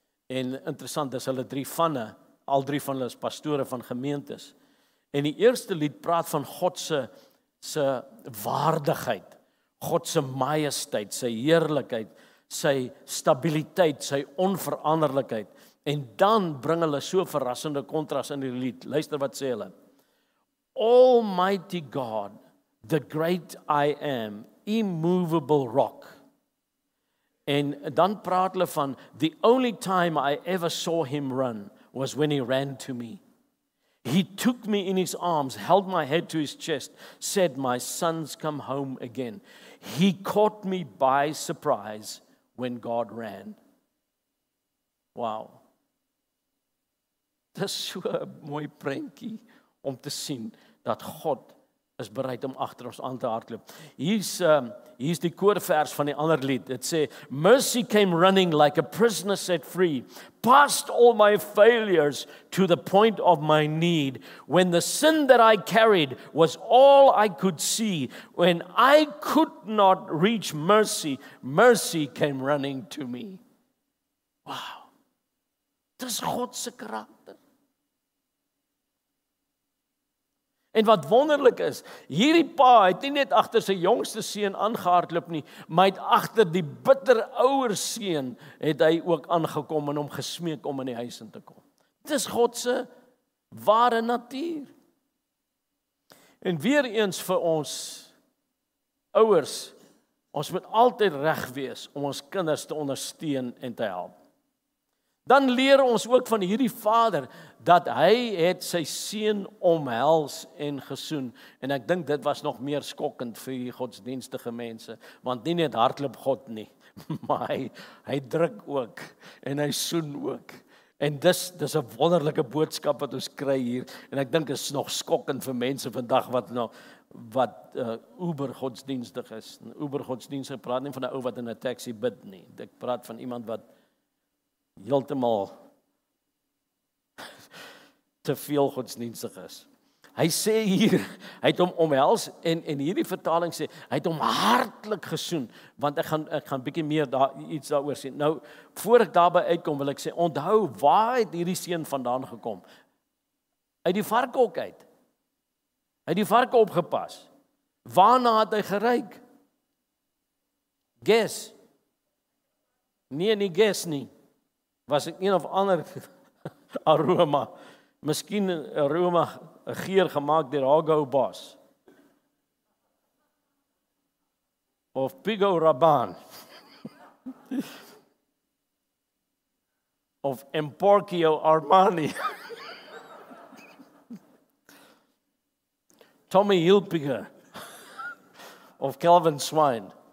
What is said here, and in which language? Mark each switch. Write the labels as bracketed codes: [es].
[af] En interessant is hulle drie vanne, al drie van hulle is pastore van gemeentes. En die eerste lied praat van God se waardigheid, God se majesteit, sy heerlikheid, sy stabiliteit, sy onveranderlikheid. En dan bring hulle so verrassende kontras in die lied. Luister wat sê hulle. [en] Almighty God, the great I am, immovable rock. [af] En dan praat hulle van, [en] the only time I ever saw him run was when he ran to me. He took me in his arms, held my head to his chest, said, my son's come home again. He caught me by surprise when God ran. Wow. [af] Dit is so 'n mooi prentjie om te sien dat God is bereid om agter ons aan te hardloop. Hier's die koorvers van die ander lied. Dit sê, [en] mercy came running like a prisoner set free, past all my failures to the point of my need, when the sin that I carried was all I could see, when I could not reach mercy, mercy came running to me. [af] Wow. Dis God se karakter. En wat wonderlik is, hierdie pa het nie net agter sy jongste seun aangehardloop nie, maar het agter die bitter ouer seun het hy ook aangekom en hom gesmeek om in die huis in te kom. Dit is God se ware natuur. En weer eens vir ons ouers, ons moet altyd reg wees om ons kinders te ondersteun en te help. Dan leer ons ook van hierdie vader, dat hy het sy seun omhels en gesoen. En ek dink dit was nog meer skokkend vir die godsdienstige mense, want nie net hardloop God nie, maar hy druk ook, en hy soen ook. En dis 'n wonderlike boodskap wat ons kry hier, en ek dink is nog skokkend vir mense vandag, wat uber godsdienstig is. En uber godsdienstig praat nie van 'n ou wat in 'n taxi bid nie, ek praat van iemand wat heeltemal te veel godsdienstig is. Hy sê hier, hy het hom omhels, en hierdie vertaling sê, hy het hom hartlik gesoen, want ek gaan bietjie meer daaroor sê. Nou, voor ek daarby uitkom, wil ek sê, onthou, waar het hierdie seun vandaan gekom? Uit die varkhok uit. Hy het die varke opgepas. Waarna het hy geruik? Guess. Nie guess nie. Was een of ander aroma, miskien aroma geer gemaakt door Hago Boss, of Pigo Rabban, of Emporio Armani, Tommy Hilfiger, of Calvin Swine.